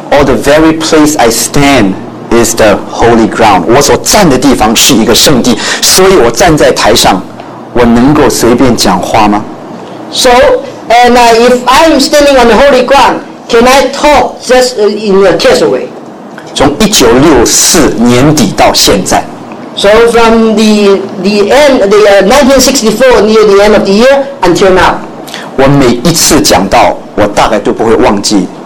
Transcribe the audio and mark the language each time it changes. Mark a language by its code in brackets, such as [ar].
[en] Or the very place I stand. Is the holy ground. [zh] 我所站的地方是一个圣地，所以我站在台上，我能够随便讲话吗 [en] ？So, and if I'm standing on the holy ground, can I talk just in a casual way? [zh] 从1964年底到现在 [en] ，So from the end the 1964 near the end of the year until now. [zh] 我每一次讲到，我大概都不会忘记。